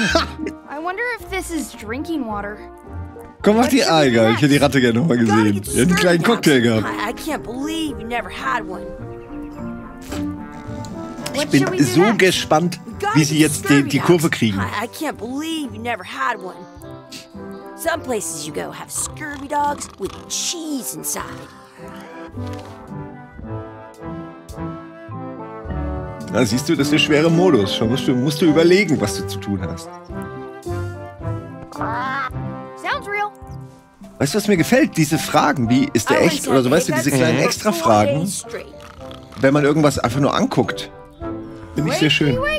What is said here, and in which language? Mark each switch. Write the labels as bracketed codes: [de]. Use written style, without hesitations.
[en] I wonder if this is drinking water. [de] Komm, mach die Alge. Ich hätte die Ratte gerne nochmal gesehen. Die hat einen kleinen Cocktail gehabt. [en] I can't believe you never had one. [de] Ich bin so gespannt, wie sie jetzt die Kurve kriegen. [en] I can't believe you never had one. Some places you go have scurvy dogs with cheese inside. [de] Na, siehst du, das ist der schwere Modus. Schon musst du überlegen, was du zu tun hast. [en] Sounds real. [de] Weißt du, was mir gefällt? Diese Fragen, wie ist der echt? Oder so, weißt du, diese kleinen Extra-Fragen, wenn man irgendwas einfach nur anguckt, finde ich sehr schön.